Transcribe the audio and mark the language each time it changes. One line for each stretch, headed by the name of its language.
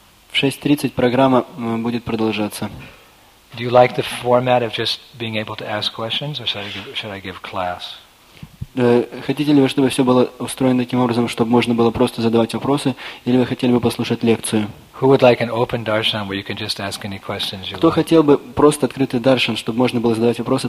Russian: В 6:30 программа будет продолжаться.
English: Do you like the format of just being able to ask questions, or should I give class?
Russian: Хотите ли вы, чтобы все было устроено таким образом, чтобы можно было просто задавать вопросы, или вы хотели бы послушать лекцию?
English: Who would like an open darshan where you can just ask any questions you want?
Russian: Кто хотел бы просто открытый даршан, чтобы можно было задавать вопросы?